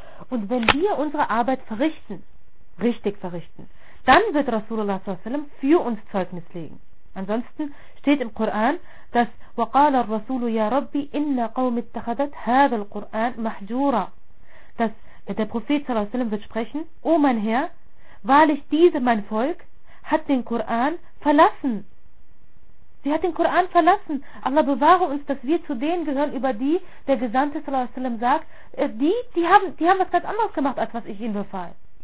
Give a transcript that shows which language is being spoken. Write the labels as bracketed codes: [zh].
[de] Und wenn wir unsere Arbeit verrichten, richtig verrichten, dann wird Rasulullah s.a.w. für uns Zeugnis legen. Ansonsten steht im Koran, dass [ar] وقال الرسول يا ربي إن قوم اتخذت هذا القرآن محجورا, [de] dass der Prophet s.a.w. wird sprechen: O mein Herr, wahrlich diese, mein Volk, hat den Koran verlassen. Sie hat den Koran verlassen. Allah bewahre uns, dass wir zu denen gehören, über die der Gesandte s.a.w. sagt, die haben was ganz anderes gemacht, als was ich ihnen befahl.